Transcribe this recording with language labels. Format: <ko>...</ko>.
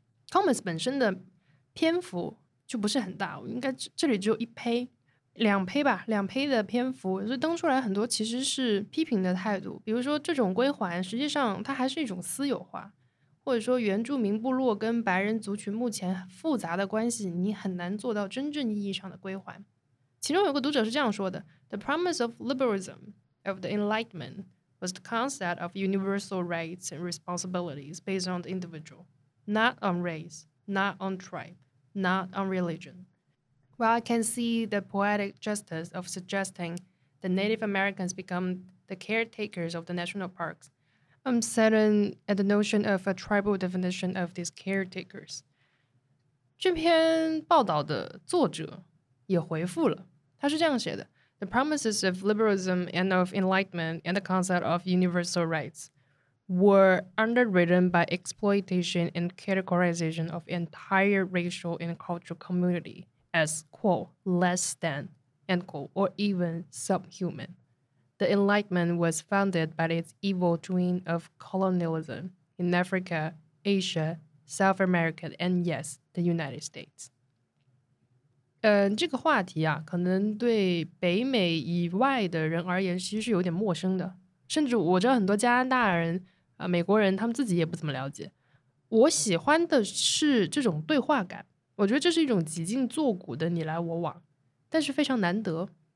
<zh>Comments 本身的篇幅就不是很大，应该这里只有一篇两篇吧，两篇的篇幅，所以登出来很多其实是批评的态度。比如说这种归还实际上它还是一种私有化，或者说原住民部落跟白人族群目前复杂的关系，你很难做到真正意义上的归还。其中有个读者是这样说的，</zh> <en>The promise of liberalism of the enlightenment was the concept of universal rights and responsibilities based on the individual, not on race, not on tribe, not on religion. Well, I can see the poetic justice of suggesting that Native Americans become the caretakers of the national parks. I'm saddened at the notion of a tribal definition of these caretakers.</en> <zh>这篇报道的作者也回复了，他是这样写的，</zh> <en>The promises of liberalism and of enlightenment and the concept of universal rights were underwritten by exploitation and categorization of entire racial and cultural community as, quote, less than, end quote, or even subhuman. The Enlightenment was founded by its evil twin of colonialism in Africa, Asia, South America, and yes, the United States.</en> <zh>这个话题啊，可能对北美以外的人而言其实是有点陌生的，甚至我知道很多加拿大人、美国人他们自己也不怎么了解。我喜欢的是这种对话感，我觉得这是一种极尽作古的你来我往，但是非常难得。</zh>